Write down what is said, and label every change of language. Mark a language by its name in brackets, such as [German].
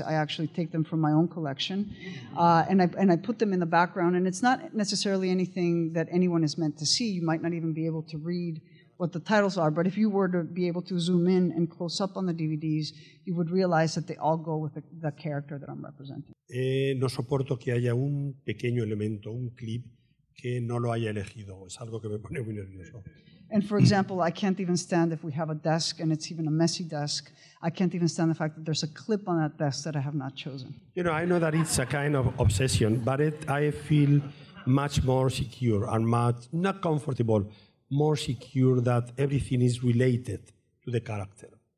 [English] I actually take them from my own collection, and I put them in the background, and it's not necessarily anything that anyone is meant to see. You might not even be able to read what the titles are, but if you were to be able to zoom in and close up on the DVDs, you would realize that they all go with the character that I'm representing. [Spanish] no soporto que haya un pequeño elemento, un clip, que no lo haya elegido. Es algo que me pone muy nervioso. [English] And for example, I can't even stand if we have a desk and it's even a messy desk. I can't even stand the fact that there's a clip on that desk that I have not chosen. You know, I know that it's a kind of obsession, but I feel much more secure and much, not comfortable, more secure that everything is related to the character.